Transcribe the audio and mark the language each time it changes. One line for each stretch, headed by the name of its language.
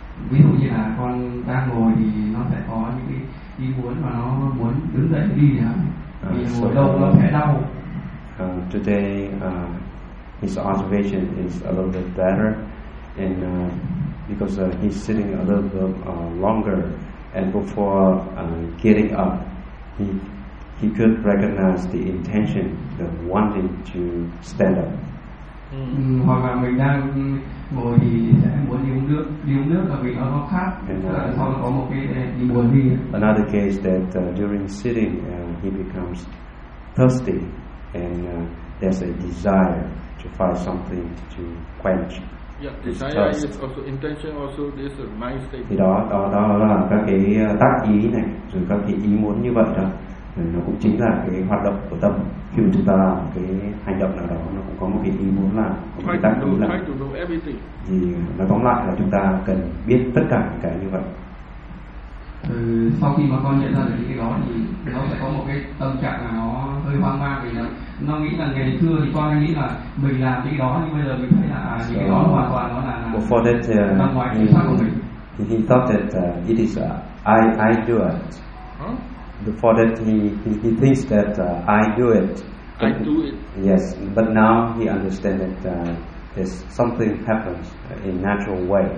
Vietnamese: Ví dụ như là con đang ngồi thì nó sẽ có những cái ý muốn mà nó muốn đứng dậy đi nhỉ? Ngồi đâu nó sẽ đau.
English: Today his observation is a little bit better, and because he's sitting a little bit longer. And before getting up, he could recognize the intention, the wanting to stand up.
Vietnamese: Hoặc là mình đang ngồi thì sẽ muốn đi uống nước và vì nó khát, hoặc là sau có một cái đi buồn đi.
English: Another case that during sitting he becomes thirsty, and there's a desire to find something to quench. Yeah, desire is also intention, also this is mind state.
Vietnamese: Thì đó là các cái tác ý này, rồi các cái ý muốn như vậy đó, nó cũng chính là cái hoạt động của tâm. Khi mà chúng ta làm cái hành động nào đó, nó cũng có một cái ý muốn là một cái tác ý là. Thì nói tóm lại là chúng ta cần biết tất cả những cái như vậy. Sau khi mà con nhận ra được cái đó thì nó sẽ có một cái tâm trạng là nó hơi hoang mang, vì nó nghĩ là ngày xưa thì con nghĩ là mình làm cái đó, nhưng bây giờ mình thấy là những cái đó hoàn toàn nó là nằm ngoài kiểm soát của mình.
English: He thought that it is I do it. Huh? Before that he thinks that I do it. But, I do it. Yes, but now he understands that there's something happens in natural way.